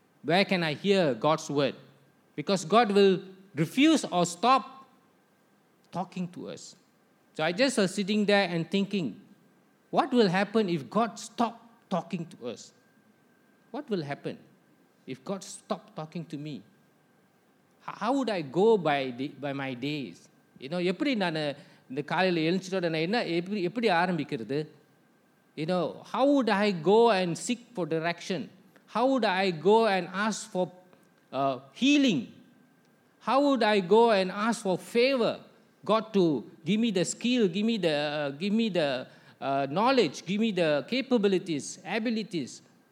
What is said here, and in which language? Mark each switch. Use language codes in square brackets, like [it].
[en] Where can I hear God's word? Because God will refuse or stop talking to us. So I just was sitting there and thinking, what will happen if God stopped talking to us? What will happen if God stopped talking to me? How would I go by my days? You know, [ta] எப்படி நான் இந்த காலையில் எழுந்துட்டோட நான் என்ன எப்படி எப்படி ஆரம்பிக்கிறது? [en] You know, how would I go and seek for direction? How would I go and ask for healing? How would I go and ask for favor? God to give me the skill, give me the knowledge, give me the capabilities, abilities.